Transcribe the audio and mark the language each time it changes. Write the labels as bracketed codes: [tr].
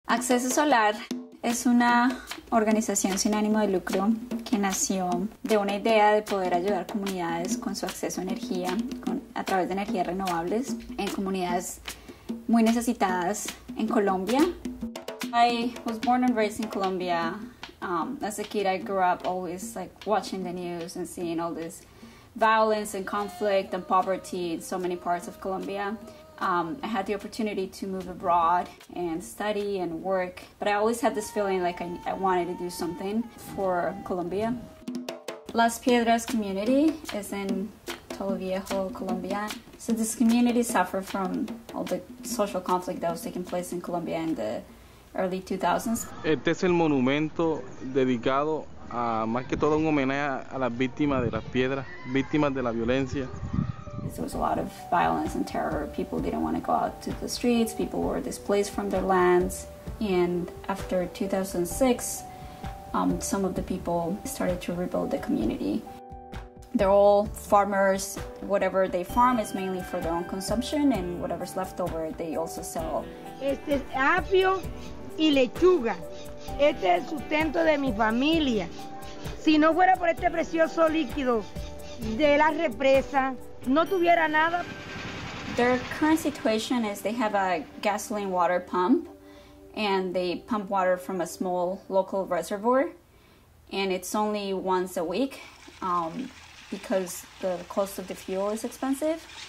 [es] Acceso Solar es una organización sin ánimo de lucro que nació de una idea de poder ayudar comunidades con su acceso a energía a través de energías renovables en comunidades muy necesitadas en Colombia. [en] I was born and raised in Colombia. As a kid, I grew up always like watching the news and seeing all this violence and conflict and poverty in so many parts of Colombia. I had the opportunity to move abroad and study and work, but I always had this feeling like I wanted to do something for Colombia. Las Piedras community is in Toluviejo, Colombia. So this community suffered from all the social conflict that was taking place in Colombia in the early 2000s. [es] Este es el monumento dedicado a más que todo un homenaje a las víctimas de las piedras, víctimas de la violencia. [en] There was a lot of violence and terror. People didn't want to go out to the streets. People were displaced from their lands. And after 2006, some of the people started to rebuild the community. They're all farmers. Whatever they farm is mainly for their own consumption, and whatever's left over, they also sell. [es] Este es apio y lechuga. Este es el sustento de mi familia. Si no fuera por este precioso líquido de la represa, no tuviera nada. [en] Their current situation is they have a gasoline water pump and they pump water from a small local reservoir, and it's only once a week because the cost of the fuel is expensive.